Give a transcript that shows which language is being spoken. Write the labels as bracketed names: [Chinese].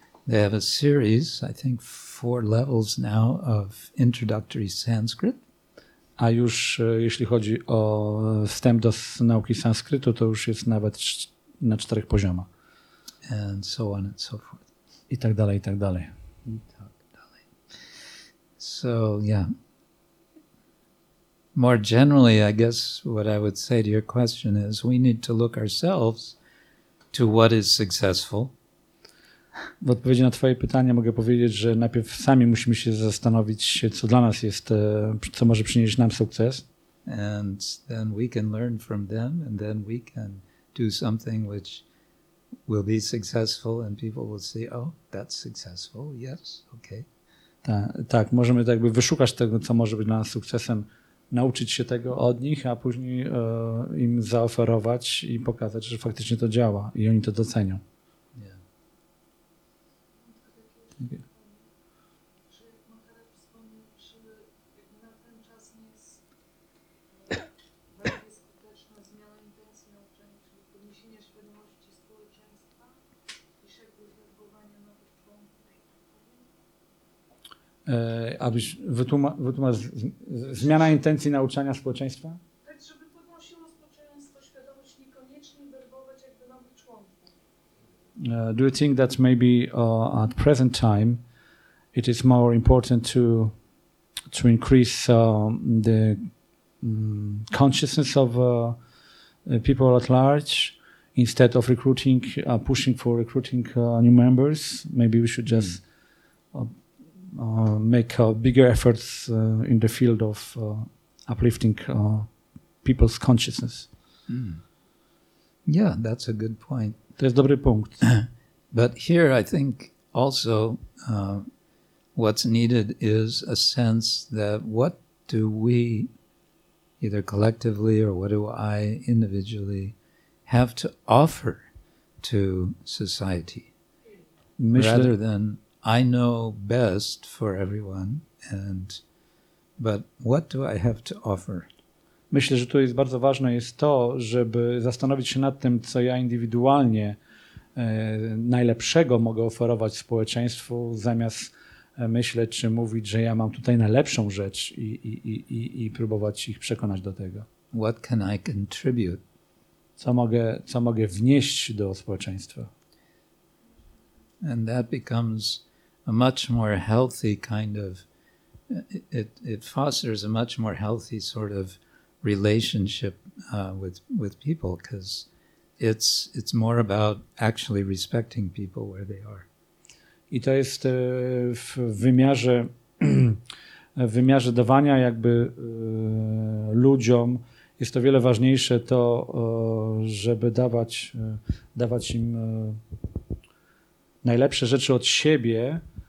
[English] They have a series, I think 4 levels now of introductory Sanskrit. [Polish] A już jeśli chodzi o wstęp do nauki sanskrytu, to już jest nawet na czterech poziomach. [English] And so on and so forth. [Polish] I tak dalej, i tak dalej. [English] So, yeah. More generally, I guess what I would say to your question is we need to look ourselves to what is successful. [Polish] W odpowiedzi na twoje pytanie mogę powiedzieć, że najpierw sami musimy się zastanowić, co dla nas jest, co może przynieść nam sukces. [English] And then we can learn from them, and then we can do something which will be successful, and people will say, oh, that's successful, yes, okay. [Polish] Tak, możemy jakby wyszukać tego, co może być dla nas sukcesem, nauczyć się tego od nich, a później im zaoferować i pokazać, że faktycznie to działa i oni to docenią. Abyś wytłumaczył zmiana intencji nauczania społeczeństwa? Tak, żeby podnosiło społeczeństwo świadomość, niekoniecznie werbować jakby nowych członków. [English] Do you think that maybe at present time it is more important to increase the consciousness of people at large instead of recruiting, pushing for recruiting new members? Maybe we should just make bigger efforts in the field of uplifting people's consciousness. Yeah, that's a good point. [Polish] To jest dobry punkt. [English] But here I think also what's needed is a sense that what do we, either collectively or what do I individually, have to offer to society? Rather than I know best for everyone, and but what do I have to offer? [Polish] Myślę, że tu jest bardzo ważne jest to, żeby zastanowić się nad tym, co ja indywidualnie najlepszego mogę oferować społeczeństwu, zamiast myśleć czy mówić, że ja mam tutaj najlepszą rzecz i próbować ich przekonać do tego. [English] What can I contribute? [Polish] Co mogę wnieść do społeczeństwa? [English] And that becomes a much more healthy kind of it fosters a much more healthy sort of relationship with people, because it's more about actually respecting people where they are. [Polish] I to jest w wymiarze dawania jakby ludziom jest to wiele ważniejsze to żeby dawać im najlepsze rzeczy od siebie.